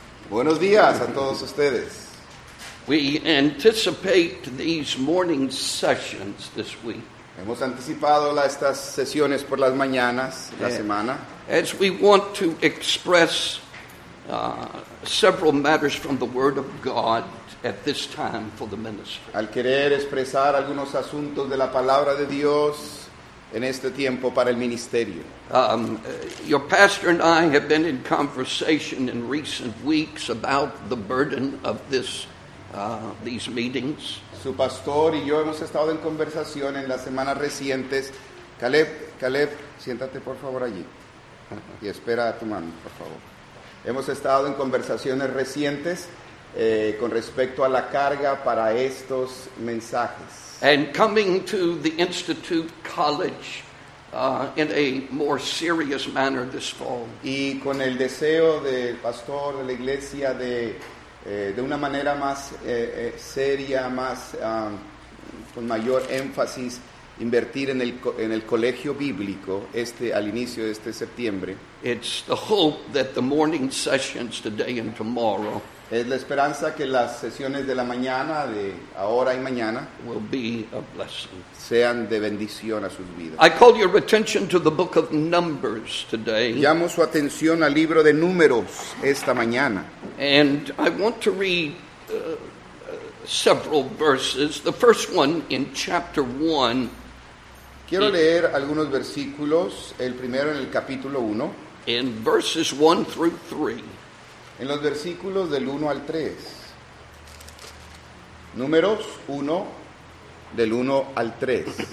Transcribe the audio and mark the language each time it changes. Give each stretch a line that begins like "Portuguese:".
Spanish: Buenos días a todos ustedes.
English: We anticipate these morning sessions this week.
Spanish: Hemos anticipado estas sesiones por las mañanas la semana.
English: As we want to express several matters from the Word of God at this time for the ministry.
Spanish: Al querer expresar algunos asuntos de la palabra de Dios en este tiempo para el ministerio.
English: Your pastor and I have been in conversation in recent weeks about the burden of these meetings.
Spanish: Su pastor y yo hemos estado en conversación en las semanas recientes. Caleb, siéntate por favor allí. Y espera a tu mano, por favor. Hemos estado en conversaciones recientes con respecto a la carga para estos mensajes.
English: And coming to the Institute College in a more serious manner this fall.
Spanish: Y con el deseo del pastor de la iglesia de una manera más seria, más con mayor énfasis, invertir en el colegio bíblico al inicio de este septiembre.
English: It's the hope that the morning sessions today and tomorrow.
Spanish: Es la esperanza que las sesiones de la mañana, de ahora y mañana,
English: will be a blessing.
Spanish: Sean de bendición a sus vidas.
English: I call your attention to the book of Numbers today.
Spanish: Llamo su atención al libro de Números esta mañana.
English: And I want to read several verses. The first one in chapter 1.
Spanish: Quiero leer algunos versículos, el primero en el capítulo 1.
English: In verses 1 through 3.
Spanish: En los versículos del 1 al 3. Números 1, del 1 al 3.